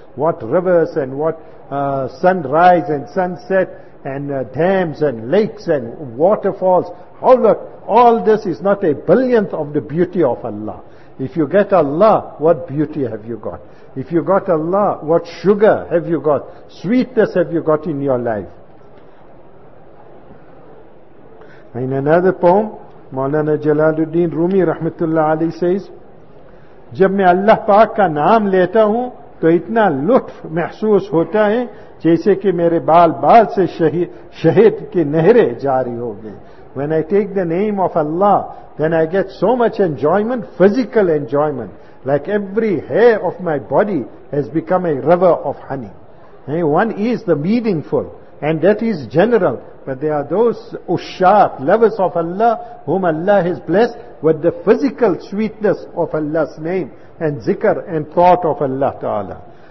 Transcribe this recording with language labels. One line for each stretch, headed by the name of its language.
English: What rivers and what sunrise and sunset and dams and lakes and waterfalls. All this is not a billionth of the beauty of Allah. If you get Allah, what beauty have you got? If you got Allah, what sugar have you got? Sweetness have you got in your life? In another poem, Maulana Jalaluddin Rumi Rahmatullah Ali says,
Urdu: جب میں اللہ پاک کا نام لیتا ہوں تو اتنا لطف محسوس ہوتا ہے جیسے کہ میرے بال بال سے شہد کی نہریں جاری ہو گئے.
English: When I take the name of Allah, then I get so much enjoyment, physical enjoyment, like every hair of my body has become a river of honey. One is the meaningful, and that is general. But there are those ushaq, lovers of Allah, whom Allah has blessed with the physical sweetness of Allah's name and zikr and thought of Allah Ta'ala.